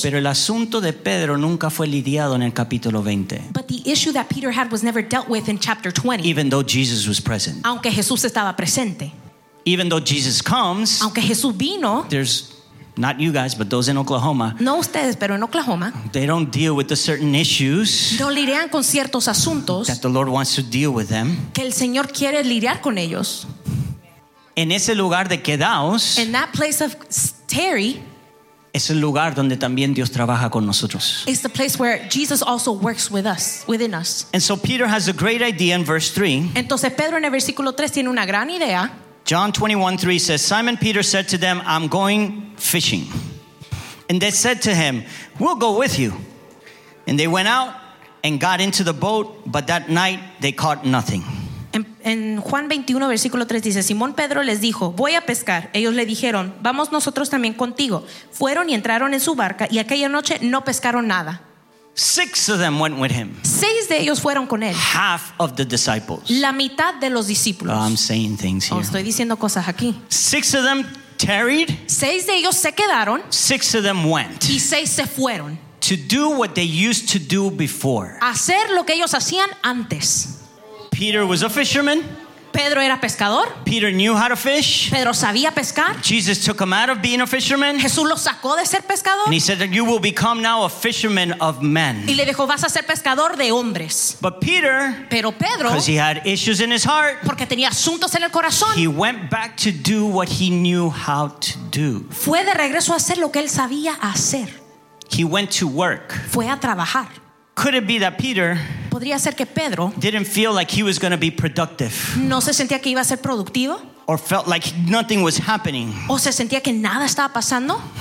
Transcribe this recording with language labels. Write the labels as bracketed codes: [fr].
[es] Pero el asunto de Pedro nunca fue lidiado en el capítulo 20. [en] But the issue that Peter had was never dealt with in chapter 20. Even though Jesus was present. [es] Aunque Jesús estaba presente. [en] Even though Jesus comes. [es] Aunque Jesús vino. [en] There's not you guys, but those in Oklahoma. [es] No ustedes, pero en Oklahoma. [en] They don't deal with the certain issues. [es] No lidian con ciertos asuntos. [en] That the Lord wants to deal with them. [es] Que el Señor quiere lidiar con ellos. En ese lugar de quedaos. [en] In that place of tarry. [es] Es el lugar donde también Dios trabaja con nosotros. [en] It's the place where Jesus also works with us, within us. And so Peter has a great idea in verse 3. [es] Entonces Pedro en el versículo 3 tiene una gran idea. [en] John 21:3 says, Simon Peter said to them, I'm going fishing. And they said to him, we'll go with you. And they went out and got into the boat, but that night they caught nothing. [es] En Juan 21, versículo 3 dice, Simón Pedro les dijo, voy a pescar. Ellos le dijeron, vamos nosotros también contigo. Fueron y entraron en su barca, y aquella noche no pescaron nada. [en] Six of them went with him. [es] Seis de ellos fueron con él. [en] Half of the disciples. [es] La mitad de los discípulos. [en] Oh, I'm saying things here. [es] Oh, estoy diciendo cosas aquí. [en] Six of them tarried. [es] Seis de ellos se quedaron. [en] Six of them went. [es] Y seis se fueron. [en] To do what they used to do before. [es] Hacer lo que ellos hacían antes. [en] Peter was a fisherman. [es] Pedro era pescador. [en] Peter knew how to fish. [es] Pedro sabía pescar. [en] Jesus took him out of being a fisherman. [es] Jesús lo sacó de ser pescador. [en] And he said that you will become now a fisherman of men. [es] Y le dijo, vas a ser pescador de hombres. [en] But Peter, [es] pero Pedro, [en] because he had issues in his heart, [es] porque tenía asuntos en el corazón, [en] he went back to do what he knew how to do. [es] Fue de regreso a hacer lo que él sabía hacer. [en] He went to work. [es] Fue a trabajar. [en] Could it be that Peter, [es] podría ser que Pedro, [en] didn't feel like he was going to be productive? [es] No se sentía que iba a ser productivo. [en] Or felt like nothing was happening. [es] O se sentía que nada estaba pasando.